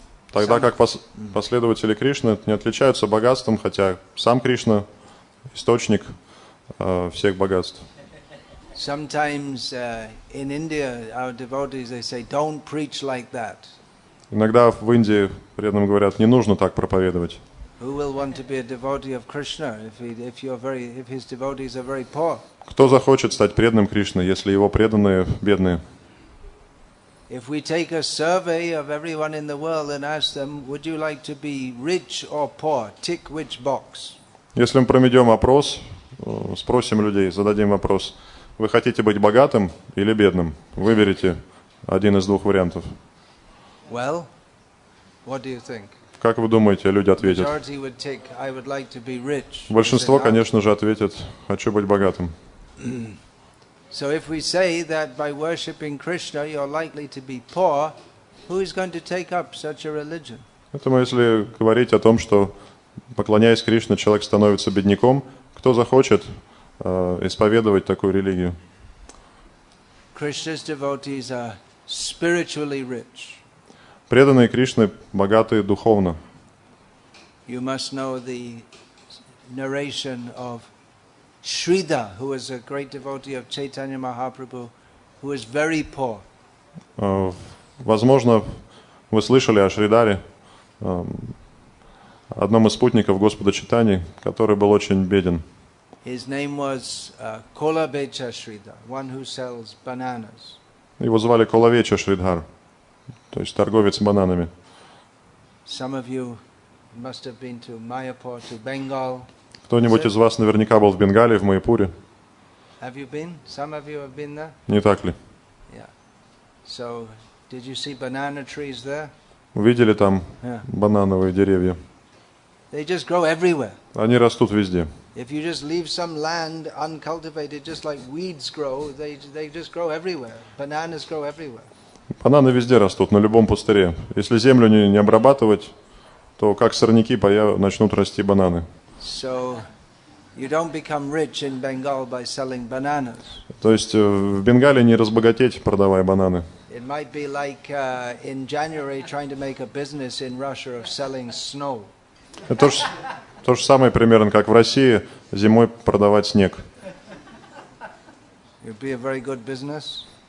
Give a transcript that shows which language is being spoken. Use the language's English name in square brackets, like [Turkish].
[Russian] Тогда как последователи Кришны не отличаются богатством, хотя сам Кришна – источник всех богатств. [English] Sometimes in India our devotees they say don't preach like that. [Russian] Иногда в Индии преданным говорят не нужно так проповедовать. [English] Who will want to be a devotee of Krishna if his devotees are very poor? [Russian] Кто захочет стать преданным Кришны, если его преданные бедные? [English] If we take a survey of everyone in the world and ask them, would you like to be rich or poor? Tick which box? [Russian] Если мы проведем опрос, спросим людей, зададим вопрос. Вы хотите быть богатым или бедным? Выберите один из двух вариантов. [English] Well, what do you think? [Russian] Как вы думаете, люди ответят? [English] Majority would take, I would like to be rich. [Russian] Большинство, конечно же, ответит, хочу быть богатым. [English] So if we say that by worshipping Krishna you're likely to be poor, who is going to take up such a religion? [Russian] Поэтому если говорить о том, что поклоняясь Кришне, человек становится бедняком, кто захочет исповедовать такую религию? [English] Krishna's devotees are spiritually rich. [Russian] Преданные Кришны богаты духовно. [English] You must know the narration of Shridhar, who was a great devotee of Chaitanya Mahaprabhu, who was very poor. [Russian] Возможно, вы слышали о Шридаре, одном из спутников Господа Чайтаньи, который был очень беден. [English] His name was Kolavecha Shridhar, one who sells bananas. [Russian] Его звали Kolavecha Shridhar, то есть торговец бананами. [English] Some of you must have been to Mayapur, to Bengal. [Russian] Кто-нибудь из вас наверняка был в Бенгале, в Майпуре. [English] Have you been? Some of you have been there? [Russian] Не так ли? [English] Yeah. So, did you see banana trees there? [Russian] Увидели там банановые деревья? [English] They just grow everywhere. [Russian] Они растут везде. [English] If you just leave some land uncultivated, just like weeds grow, they just grow everywhere. Bananas grow everywhere. [Russian] Бананы везде растут, на любом пустыре. Если землю не обрабатывать, то как сорняки начнут расти бананы. [English] So, You don't become rich in Bengal by selling bananas. [Russian] То есть в Бенгале не разбогатеть, продавая бананы. [English] It might be like in January trying to make a business in Russia of selling snow. [Russian] Это то же самое примерно, как в России зимой продавать снег. [English] It would be a very good business.